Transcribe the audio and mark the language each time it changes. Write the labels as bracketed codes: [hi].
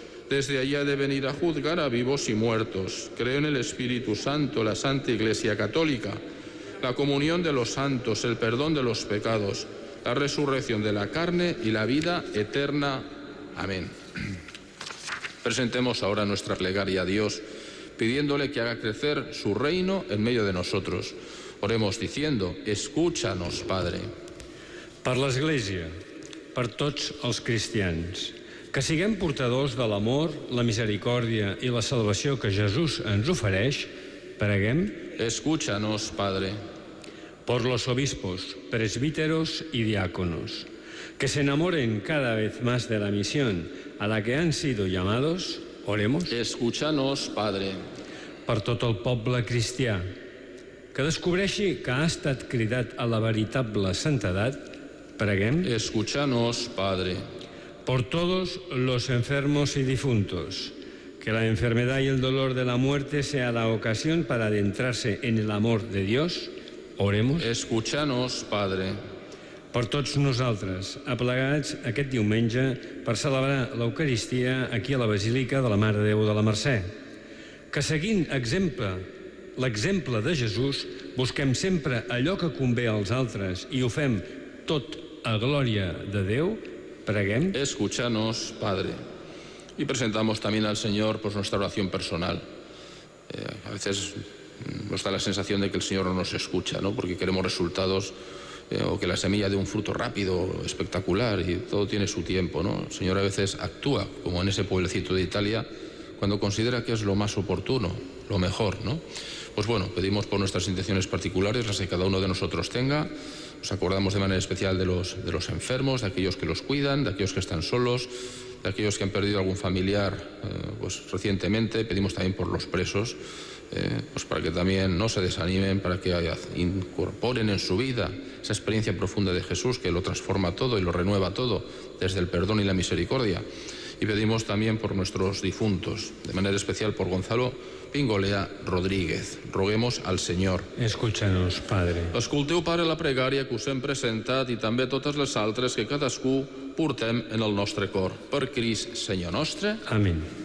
[es] Desde allí ha de venir a juzgar a vivos y muertos. Creo en el Espíritu Santo, la Santa Iglesia Católica, la comunión de los santos, el perdón de los pecados, la resurrección de la carne y la vida eterna. Amén. Presentemos ahora nuestra plegaria a Dios, pidiéndole que haga crecer su reino en medio de nosotros. Oremos diciendo, escúchanos, Padre. [ca] Per l'Església, per tots els cristians, que siguem portadors de l'amor, la misericòrdia i la salvació que Jesús ens ofereix, preguem. [es] Escúchanos, Padre. Por los obispos, presbíteros y diáconos, que se enamoren cada vez más de la misión a la que han sido llamados, oremos. Escúchanos, Padre. [ca] Per tot el poble cristià, que descobreixi que ha estat cridat a la veritable santedat, preguem. [es] Escúchanos, Padre. Por todos los enfermos y difuntos, que la enfermedad y el dolor de la muerte sea la ocasión para adentrarse en el amor de Dios, oremos. Escúchanos, Padre. [ca] Per tots nosaltres, aplegats aquest diumenge per celebrar l'Eucaristia aquí a la Basílica de la Mare de Déu de la Mercè, que seguint exemple, l'exemple de Jesús, busquem sempre allò que convé als altres i ho fem tot a glòria de Déu, preguem. [es] Escúchanos, Padre. Y presentamos también al Señor pues nuestra oración personal. A veces nos da la sensación de que el Señor no nos escucha, ¿no? Porque queremos resultados o que la semilla dé un fruto rápido, espectacular, y todo tiene su tiempo, ¿no? El Señor a veces actúa, como en ese pueblecito de Italia, cuando considera que es lo más oportuno, lo mejor, ¿no? Pues bueno, pedimos por nuestras intenciones particulares, las que cada uno de nosotros tenga. Nos acordamos de manera especial de los enfermos, de aquellos que los cuidan, de aquellos que están solos, de aquellos que han perdido algún familiar pues recientemente. Pedimos también por los presos, pues para que también no se desanimen, para que incorporen en su vida esa experiencia profunda de Jesús que lo transforma todo y lo renueva todo desde el perdón y la misericordia. Y pedimos también por nuestros difuntos, de manera especial por Gonzalo Pingolea Rodríguez. Roguemos al Señor. Escúchanos, Padre. [ca] Escolteu, Pare, la pregària que us hem presentat i també totes les altres que cadascú portem en el nostre cor. Per Crist, Senyor nostre. [es] Amén.